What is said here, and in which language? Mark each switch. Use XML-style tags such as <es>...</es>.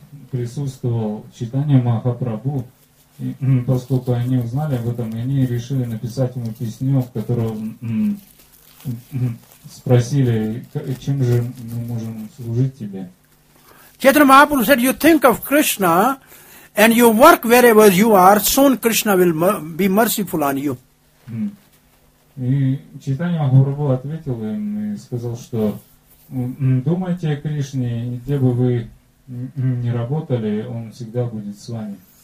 <ru>присутствовал читание Махапрабху, и, поскольку они узнали об этом, и они решили написать ему письмо, в котором спросили, чем же мы можем служить тебе.</ru> <en>Chaitanya Mahaprabhu said, you think of Krishna, and you work wherever you are, soon Krishna will be merciful on you.</en> <ru>И читание Махапрабху ответил им и сказал, что думайте о Кришне, где бы вы не работали, он всегда будет с вами.</ru>